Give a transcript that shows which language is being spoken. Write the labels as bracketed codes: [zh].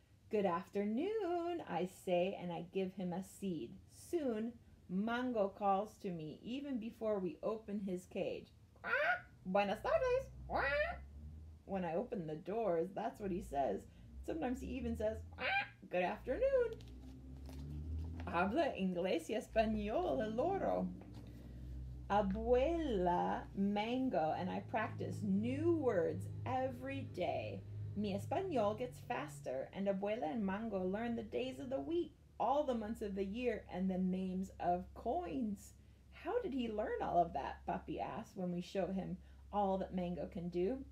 [en] Good afternoon, I say, and I give him a seed. Soon, Mango calls to me, even before we open his cage. Quack! [es] Buenas tardes! [en] Quack! When I open the doors, that's what he says. Sometimes he even says, quack! Good afternoon! [es] Habla inglés y español, el loro. [en] Abuela, Mango, and I practice new words every day. [es] Mi español [en] gets faster, and abuela and Mango learn the days of the week, all the months of the year, and the names of coins. How did he learn all of that? Papi asks when we show him all that Mango can do.